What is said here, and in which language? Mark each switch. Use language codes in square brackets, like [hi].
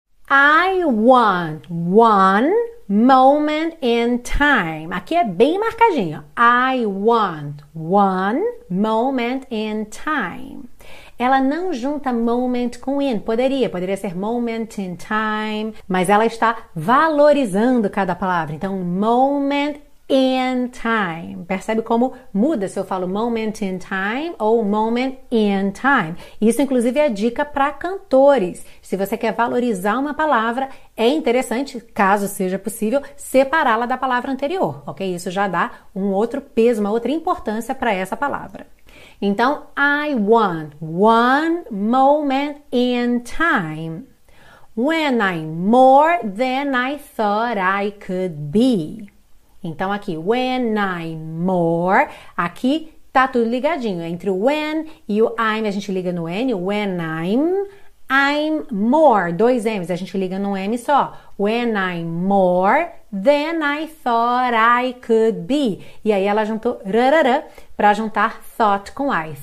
[en] I want one moment in time. [pt] Aqui é bem marcadinho. [en] I want one moment in time. [pt] Ela não junta moment com in. Poderia ser [en] moment in time. [pt] Mas ela está valorizando cada palavra. Então, [en] moment in time. [pt] Percebe como muda se eu falo moment in time ou moment in time. Isso, inclusive, é dica para cantores. Se você quer valorizar uma palavra, é interessante, caso seja possível, separá-la da palavra anterior. Ok? Isso já dá um outro peso, uma outra importância para essa palavra. [en] Então, I want one moment in time when I'm more than I thought I could be. [pt] Então, aqui, [en] when I'm more, [pt] aqui tá tudo ligadinho. Entre o when e o I'm, a gente liga no N. [en] When I'm more, [pt] dois M's, a gente liga no M só. [en] When I'm more than I thought I could be. [pt] E aí ela juntou rarara para juntar thought com I.